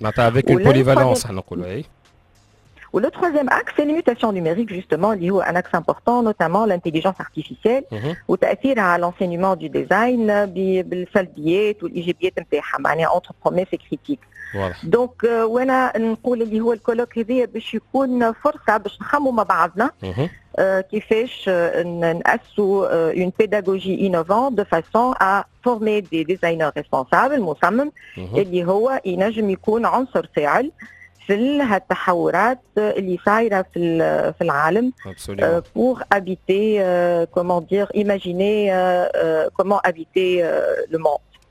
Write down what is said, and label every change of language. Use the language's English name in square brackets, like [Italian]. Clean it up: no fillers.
[Arabic] معناتها [French] avec une polyvalence [Arabic] احنا نقولوا اي [French] ou le troisième axe c'est les mutations numériques justement [Arabic] اللي هو [French] un axe important notamment l'intelligence artificielle ou [Arabic] تاثيرها على [French] l'enseignement du design [Arabic] بالسلبيات والايجابيات نتاعها معناها [French] entre promesses et critiques voilà. [Arabic] donc وانا نقول اللي هو الكولوك هذا باش يكون فرصه باش نخمموا مع بعضنا كيفاش نأسسوا [French] une pédagogie innovante de façon à former des designers responsables [Arabic] مصمم اللي هو ينجم يكون عنصر فاعل في هالتحورات اللي صايره في العالم [French] pour habiter comment dire imaginer comment habiter le monde